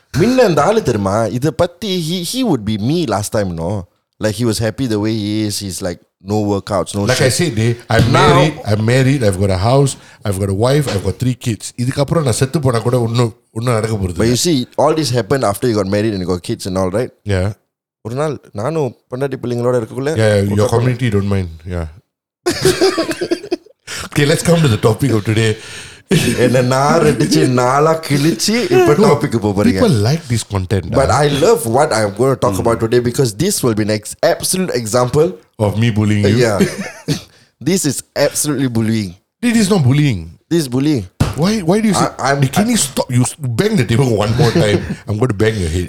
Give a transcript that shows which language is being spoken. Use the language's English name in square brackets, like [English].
[English] Content. He would be me last time, no? Like he was happy the way he is. He's like, no workouts, no like shit. Like I said, I'm married, I've got a house, I've got a wife, I've got 3 kids. But you see, all this happened after you got married and you got kids and all, right? Yeah. [Tamil] ஒரு நாள் நானும் பொண்டாட்டி பிள்ளைங்களோட இருக்குள்ள. [English] Yeah, your community don't mind. Yeah. Okay, let's come to the topic of today. [Tamil] என்ன நார் அடிச்சு நாளா கிழிச்சு இப்ப டாபிக் போறீங்க. [English] People like this content. But I love what I'm going to talk about today because this will be an absolute example of me bullying you. Yeah. This is absolutely bullying. This is not bullying. This is bullying. Why do you say, can you stop? You bang the table one more time. I'm going to bang your head.